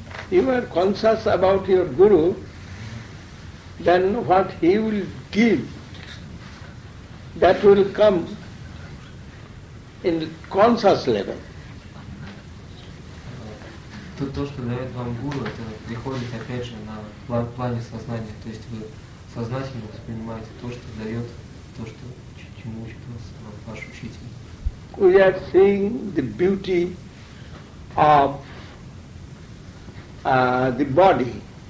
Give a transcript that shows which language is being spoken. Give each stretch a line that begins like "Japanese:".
English: You are conscious about your Guru, then what he will give, that will come in the conscious level.
Russian: То, что дает вам Гуру, это приходит опять же на плане сознания. То есть вы сознательно воспринимаете то, что дает, то, что чему учит вас ваш учитель.
English: We are seeing the beauty of the body.